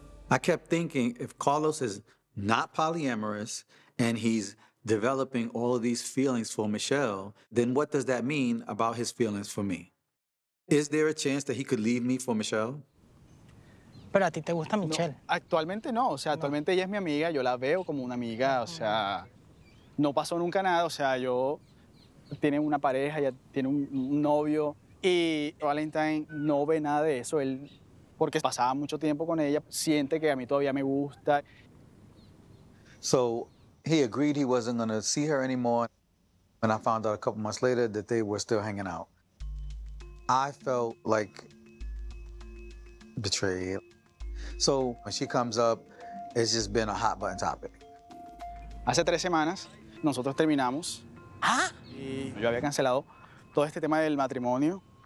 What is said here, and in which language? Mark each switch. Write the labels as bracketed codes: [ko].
[en] I kept thinking, if Carlos is not polyamorous and he's developing all of these feelings for Michelle, then what does that mean about his feelings for me? Is there a chance that he could leave me for Michelle? [es] Pero a ti te gusta Michelle. No, actualmente no. O sea, actualmente ella es mi amiga. Yo la veo como una amiga. O sea, no pasó nunca nada. O sea, yo... Tiene una pareja, ya tiene un novio. Y Valentine no ve nada de eso. Él, porque pasaba mucho tiempo con ella, siente que a mí todavía me gusta. [en] So he agreed he wasn't going to see her anymore. And I found out a couple months later that they were still hanging out. I felt like betrayed. So when she comes up, it's just been a hot button topic. [es] Hace tres semanas, nosotros terminamos. ¿Ah? Y yo había cancelado todo este tema del matrimonio.